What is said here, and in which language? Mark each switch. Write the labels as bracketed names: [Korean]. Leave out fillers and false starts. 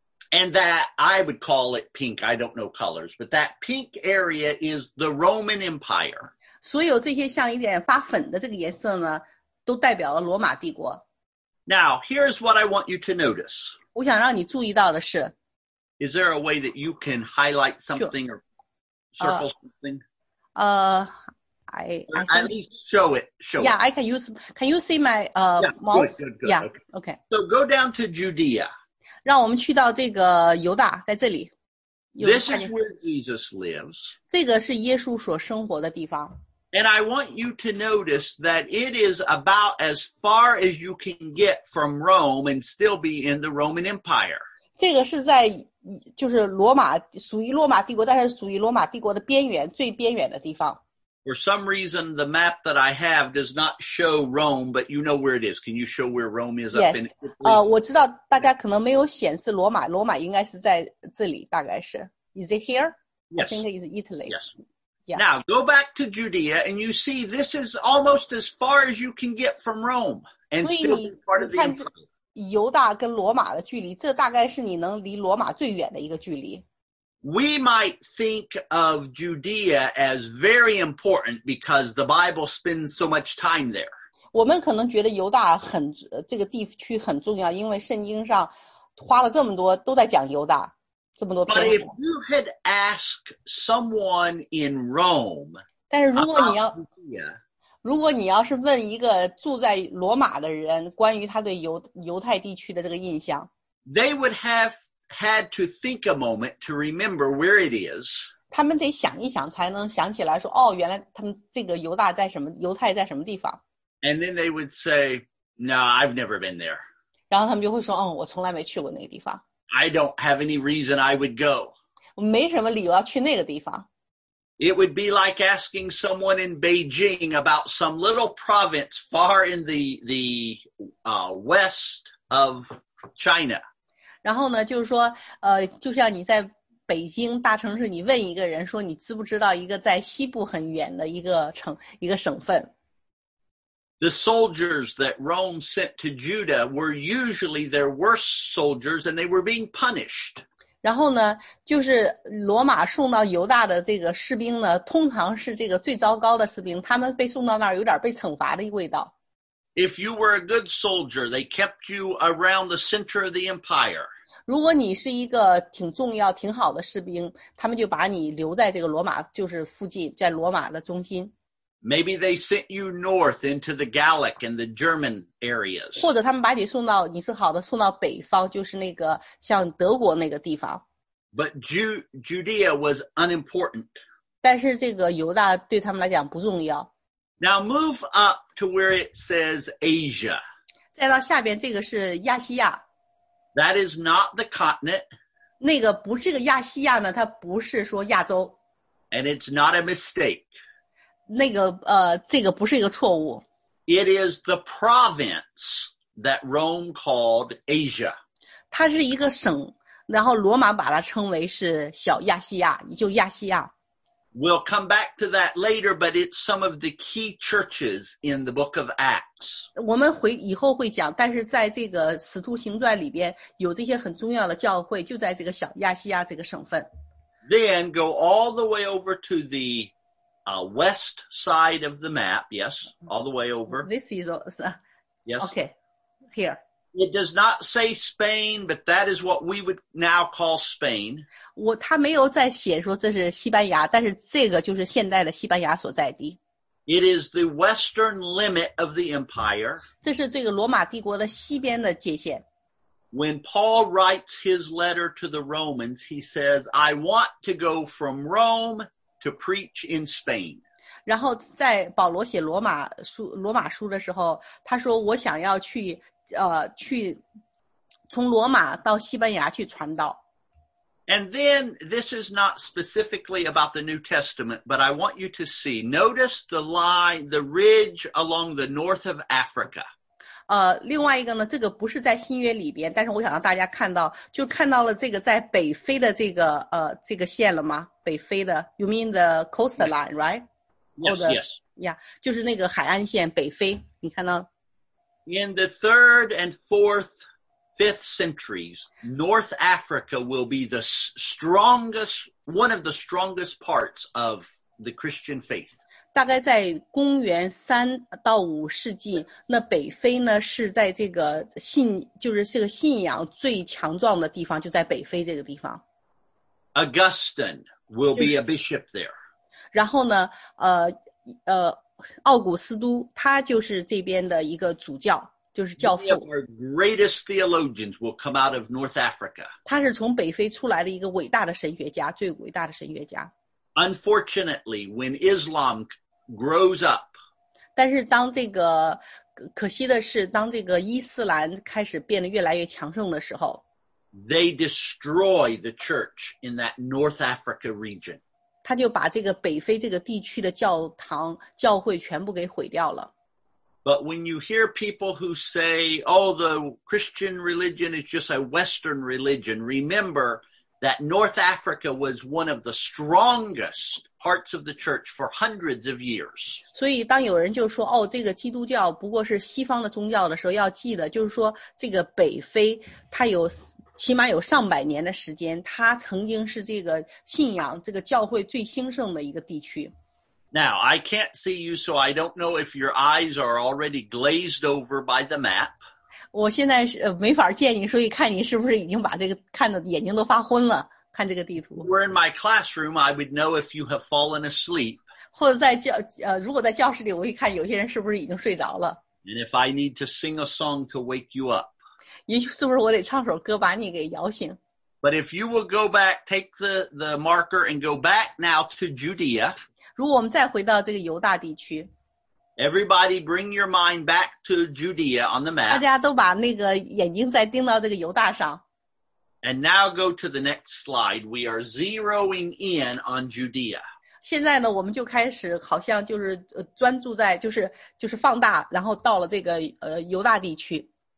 [English] And that, I would call it pink, I don't know colors, but that pink area is the Roman Empire. [Chinese] 所有这些像一点发粉的这个颜色呢，都代表了罗马帝国。 [English] Now, here's what I want you to notice. [Chinese] 我想让你注意到的是。 [English] Is there a way that you can highlight something or... Circle something? I think, at least show it. Show yeah, it. I can use. Can you see my mouse? Good, good, good. Yeah, okay. So go down to Judea. [Chinese] 让我们去到这个犹大在这里。 [English] This is where Jesus lives. [Chinese] 这个是耶稣所生活的地方。 [English] And I want you to notice that it is about as far as you can get from Rome and still be in the Roman Empire. [Chinese] 这个是在就是罗马属于罗马帝国但是属于罗马帝国的边缘最边缘的地方。 [English] For some reason, the map that I have does not show Rome, but you know where it is. Can you show where Rome is? Yes. [Chinese] 我知道大家可能没有显示罗马，罗马应该是在这里，大概是。 [English] Is it here? Yes. I think it's Italy. Yes.、 Yeah. Now, go back to Judea and you see this is almost as far as you can get from Rome and still be part of the Empire. [Chinese] 犹大跟罗马的距离，这大概是你能离罗马最远的一个距离。 [English] We might think of Judea as very important because the Bible spends so much time there. [Chinese] 我们可能觉得犹大很这个地区很重要，因为圣经上花了这么多都在讲犹大，这么多篇。 [English] But if you had asked someone in Rome, [Chinese] 但是如果你要是问一个住在罗马的人关于他对犹太地区的这个印象 [English] ，They would have had to think a moment to remember where it is. [Chinese] 他们得想一想才能想起来说，哦，原来他们这个犹大在什么，犹太在什么地方 [English] ？And then they would say, "No, I've never been there." [Chinese] 然后他们就会说，哦，我从来没去过那个地方。 [English] I don't have any reason I would go. [Chinese] 我没什么理由要去那个地方。 [English] It would be like asking someone in Beijing about some little province far in the west of China. [Chinese] 然后呢，就是说，就像你在北京大城市，你问一个人说你知不知道一个在西部很远的一个省份。 [English] The soldiers that Rome sent to Judah were usually their worst soldiers and they were being punished. [Chinese] 然后呢，就是罗马送到犹大的这个士兵呢，通常是这个最糟糕的士兵，他们被送到那儿有点被惩罚的味道。 [English] If you were a good soldier, they kept you around the center of the empire. [Chinese] 如果你是一个挺重要、挺好的士兵，他们就把你留在这个罗马，就是附近，在罗马的中心。 [English] Maybe they sent you north into the Gallic and the German areas. [Chinese] 或者他们把你送到，你是好的，送到北方，就是那个像德国那个地方。 [English] But Judea was unimportant. [Chinese] 但是这个犹大对他们来讲不重要。 [English] Now move up to where it says Asia. [Chinese] 再到下边，这个是亚细亚。 [English] That is not the continent. [Chinese] 那个不，这个亚细亚呢，它不是说亚洲。 [English] And it's not a mistake. [Chinese] 那个这个不是一个错误。 [English] It is the province that Rome called Asia. [Chinese] 它是一个省，然后罗马把它称为是小亚细亚，就亚细亚。 [English] We'll come back to that later, but it's some of the key churches in the book of Acts. [Chinese] 我们回以后会讲，但是在这个使徒行传里边有这些很重要的教会，就在这个小亚细亚这个省份。 [English] Then go all the way over to the west side of the map, yes, all the way over. This is, yes. Okay, here. It does not say Spain, but that is what we would now call Spain. [Chinese] 他没有在写说这是西班牙，但是这个就是现代的西班牙所在地。 [English] It is the western limit of the empire. [Chinese] 这是这个罗马帝国的西边的界限。 [English] When Paul writes his letter to the Romans, he says, I want to go from Rome to preach in Spain. [Chinese] 然后在保罗写罗马书的时候，他说我想要去去从罗马到西班牙去传道。 [English] And then this is not specifically about the New Testament, but I want you to see. Notice the line, the ridge along the north of Africa. [Chinese] 另外一个呢，这个不是在新约里边，但是我想让大家看到，就看到了这个在北非的这个这个线了吗？北非的 [English] ，You mean the coastline, right? Yes. Yeah, [Chinese] 就是那个海岸线，北非。你看到 [English] ？In the 3rd and 4th, 5th centuries, North Africa will be the strongest, one of the strongest parts of the Christian faith. [Chinese] 大概在公元三到五世纪，那北非呢是在这个信，就是这个信仰最强壮的地方，就在北非这个地方。 [English] Augustine will be a bishop there. [Chinese] 然后呢，奥古斯都他就是这边的一个主教，就是教父。 [English] One of our greatest theologians will come out of North Africa. [Chinese] 他是从北非出来的一个伟大的神学家，最伟大的神学家。 [English] Unfortunately, when Islam grows up, [Chinese] 但是当这个可惜的是，当这个伊斯兰开始变得越来越强盛的时候 [English] ，they destroy the church in that North Africa region. [Chinese] 他就把这个北非这个地区的教堂教会全部给毁掉了。 [English] But when you hear people who say, "Oh, the Christian religion is just a Western religion," remember. That North Africa was one of the strongest parts of the church for hundreds of years. [Chinese] 所以当有人就说哦，这个基督教不过是西方的宗教的时候，要记得就是说，这个北非它有起码有上百年的时间，它曾经是这个信仰这个教会最兴盛的一个地区。 [English] Now I can't see you, so I don't know if your eyes are already glazed over by the map. [Chinese] 我现在是没法见你，所以看你是不是已经把这个看的眼睛都发昏了。看这个地图。 [English] We're in my classroom. I would know if you have fallen asleep. [Chinese] 或者在教如果在教室里，我一看有些人是不是已经睡着了。 [English] And if I need to sing a song to wake you up. [Chinese] 也许是不是我得唱首歌把你给摇醒 [English] ？But if you will go back, take the marker and go back now to Judea. [Chinese] 如果我们再回到这个犹大地区。 [English] Everybody bring your mind back to Judea on the map. [Chinese] 大家都把那个眼睛再盯到这个犹大上。 [English] And now go to the next slide. We are zeroing in on Judea. [Chinese] 现在呢我们就开始好像就是专注在就是放大然后到了这个犹大地区。